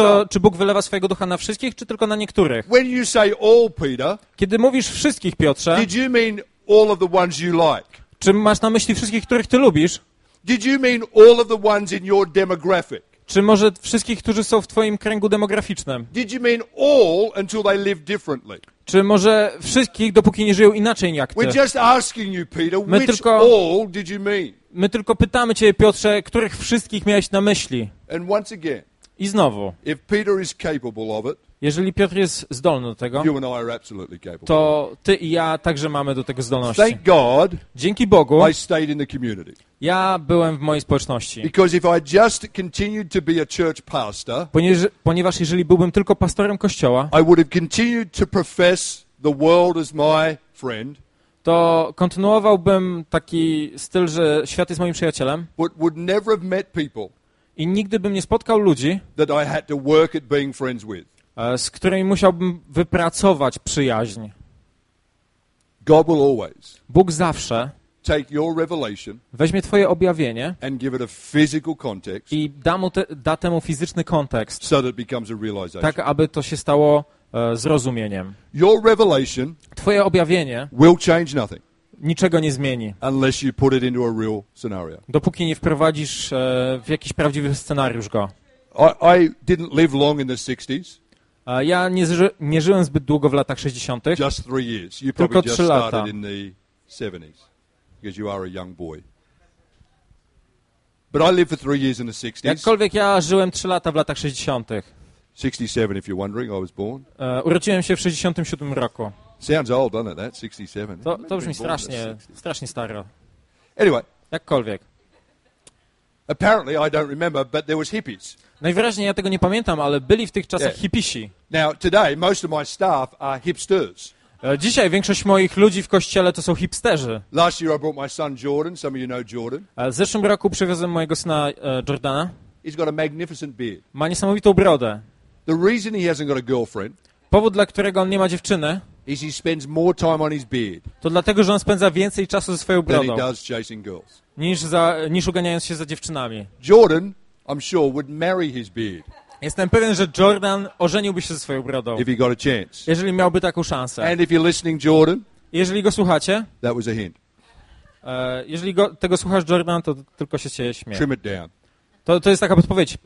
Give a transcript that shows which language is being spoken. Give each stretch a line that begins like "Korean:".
Polish: Czy Bóg wylewa swojego ducha na wszystkich, czy tylko na niektórych?
English: When you say all, Peter,
Polish: kiedy mówisz wszystkich, Piotrze,
English: did you mean all of the ones you like?
Polish: Czy masz na myśli wszystkich, których ty lubisz?
English: Did you mean all of the ones in your demographic?
Polish: Czy może wszystkich, którzy są w twoim kręgu demograficznym?
English: Did you mean all until they live differently?
Polish: Czy może wszystkich, dopóki nie żyją inaczej jak ty?
English: We're just asking you, Peter, which all did you mean?
Polish: My tylko pytamy cię, Piotrze, których wszystkich miałeś na myśli.
English: And once again,
Polish: i znowu,
English: if Peter is capable of it,
Polish: jeżeli Piotr jest zdolny do tego,
English: you and I are absolutely capable.
Polish: To ty i ja także mamy do tego zdolności.
English: Thank God,
Polish: dzięki Bogu,
English: I stayed in the community.
Polish: Ja byłem w mojej społeczności.
English: Because if I just continued to be a church pastor,
Polish: ponieważ jeżeli byłbym tylko pastorem kościoła,
English: I would have continued to profess the world as my friend,
Polish: to kontynuowałbym taki styl, że świat jest moim przyjacielem,
English: but would never have met people,
Polish: i nigdy bym nie spotkał ludzi,
English: that I had to work at being friends with,
Polish: z którymi musiałbym wypracować przyjaźń.
English: God will always,
Polish: Bóg zawsze,
English: take your revelation,
Polish: weźmie twoje objawienie,
English: and give it a physical context,
Polish: i da temu fizyczny kontekst,
English: so that it becomes a realization,
Polish: tak aby to się stało zrozumieniem.
English: Your revelation,
Polish: twoje objawienie,
English: will change nothing,
Polish: niczego nie zmieni,
English: unless you put it into a real scenario,
Polish: dopóki nie wprowadzisz w jakiś prawdziwy scenariusz go.
English: I didn't live long in the 60s.
Polish: Ja nie żyłem zbyt długo w latach 60.
English: Just 3 years. You
Polish: tylko
English: probably
Polish: 3
English: just
Polish: lata.
English: Started in the 70s. Because you are a young boy. But I lived for 3 years in the 60s.
Polish: Jakkolwiek ja żyłem 3 lata w latach 60.
English: 67, if you're wondering, I was born.
Polish: Urodziłem się w 67 roku.
English: Sounds old, doesn't it, that? 67.
Polish: To brzmi strasznie, strasznie staro.
English: Anyway.
Polish: Jakkolwiek.
English: Apparently, I don't remember, but there was hippies.
Polish: Najwyraźniej ja tego nie pamiętam, ale byli w tych czasach hipisi.
English: Now, today, most of my staff are hipsters.
Polish: Dzisiaj większość moich ludzi w kościele to są hipsterzy.
English: Last year I brought my son Jordan. Some of you know Jordan.
Polish: W zeszłym roku przywiozłem mojego syna Jordana.
English: He's got a magnificent beard.
Polish: Ma niesamowitą brodę.
English: The reason he hasn't got a girlfriend,
Polish: powód, dla którego on nie ma dziewczyny,
English: is he spends more time on his beard,
Polish: to dlatego, że on spędza więcej czasu ze swoją brodą,
English: than he does chasing girls.
Polish: Niż uganiając się za dziewczynami.
English: Jordan, I'm sure, would marry his beard.
Polish: Jestem pewien, że Jordan ożeniłby się ze swoją brodą,
English: if he got a chance,
Polish: jeżeli miałby taką szansę.
English: And if you're listening, Jordan,
Polish: jeżeli go słuchacie,
English: that was a hint.
Polish: Jeżeli tego słuchasz, Jordan, to tylko się cię śmieję.
English: Trim it down.
Polish: To jest taka podpowiedź.